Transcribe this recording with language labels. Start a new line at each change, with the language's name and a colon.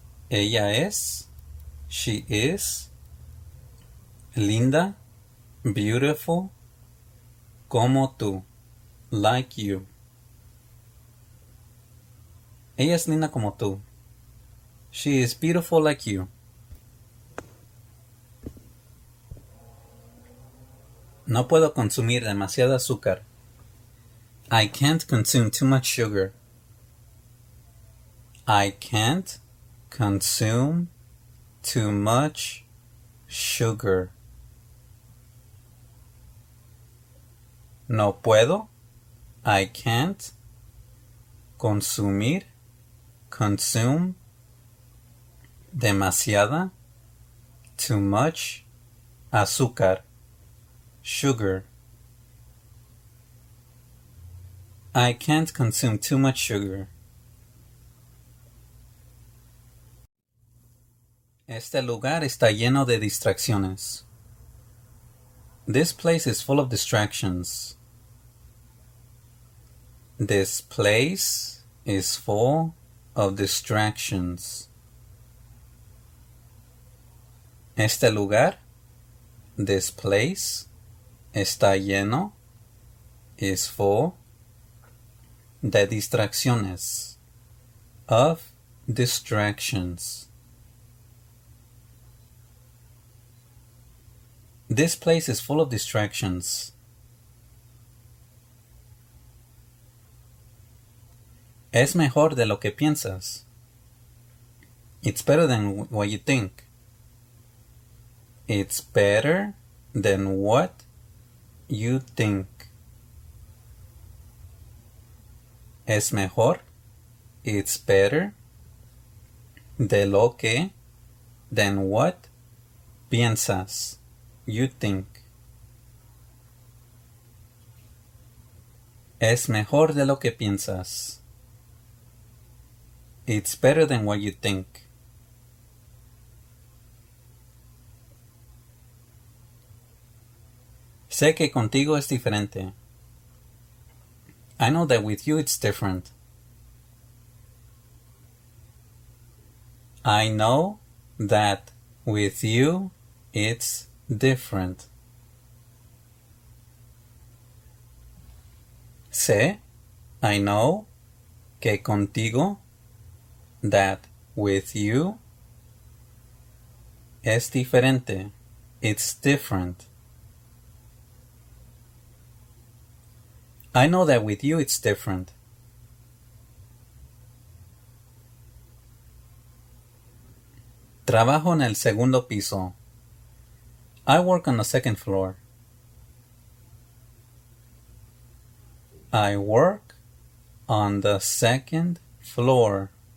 Spanish: Ella es,
English: she is,
Spanish: linda,
English: beautiful,
Spanish: como tú,
English: like you.
Spanish: Ella es linda como tú.
English: She is beautiful like you.
Spanish: No puedo consumir demasiado azúcar.
English: I can't consume too much sugar. I can't consume too much sugar.
Spanish: No puedo,
English: I can't,
Spanish: consumir,
English: consume,
Spanish: demasiada,
English: too much,
Spanish: azúcar,
English: sugar. I can't consume too much sugar.
Spanish: Este lugar está lleno de distracciones.
English: This place is full of distractions. This place is full of distractions.
Spanish: Este lugar,
English: this place,
Spanish: está lleno,
English: is full,
Spanish: de distracciones,
English: of distractions. This place is full of distractions.
Spanish: Es mejor de lo que piensas.
English: It's better than what you think. It's better than what you think.
Spanish: Es mejor,
English: it's better,
Spanish: de lo que,
English: than what
Spanish: piensas,
English: you think.
Spanish: Es mejor de lo que piensas.
English: It's better than what you think.
Spanish: Sé que contigo es diferente.
English: I know that with you it's different. I know that with you it's different.
Spanish: Sé,
English: I know,
Spanish: que contigo,
English: that with you,
Spanish: es diferente.
English: It's different. I know that with you it's different.
Spanish: Trabajo en el segundo piso.
English: I work on the second floor. I work on the second floor.